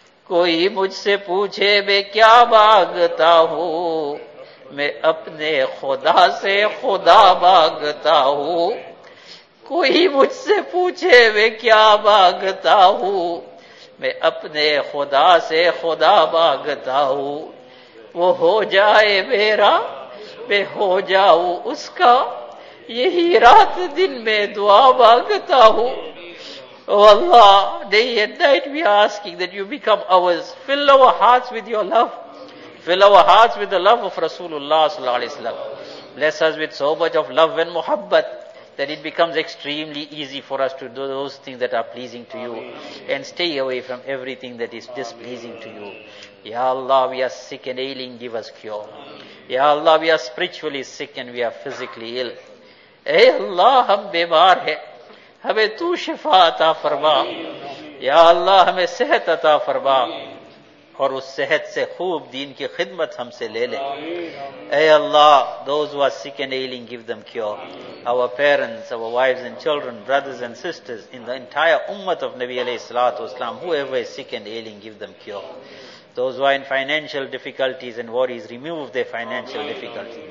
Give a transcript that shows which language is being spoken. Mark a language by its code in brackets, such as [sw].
[ur] کوئی مجھ سے پوچھے میں کیا مانگتا ہوں، میں اپنے خدا سے خدا مانگتا ہوں، کوئی مجھ سے پوچھے میں کیا مانگتا ہوں، میں اپنے خدا سے خدا مانگتا ہوں، وہ ہو جائے میرا میں ہو جاؤں اس کا، یہی رات دن میں دعا مانگتا ہوں. [en] Oh Allah, day and night we are asking that you become ours. Fill our hearts with your love. Fill our hearts with the love of Rasulullah sallallahu alaihi wasallam. Bless us with so much of love and muhabbat that it becomes extremely easy for us to do those things that are pleasing to you. And stay away from everything that is displeasing to you. Ya Allah, we are sick and ailing, give us cure. Ya Allah, we are spiritually sick and we are physically ill. [ur] اے اللہ ہم بیمار ہیں، ہمیں تو شفا عطا فرما. یا اللہ ہمیں صحت عطا فرما اور اس صحت سے خوب دین کی خدمت ہم سے لے لے. [en] اے اللہ، those who are sick and ailing give them cure. Our parents, our wives and children, brothers and sisters in the entire ummah of Nabi علیہ الصلوۃ والسلام, whoever is sick and ailing give them cure. Those who are in financial difficulties and worries, remove their financial difficulties.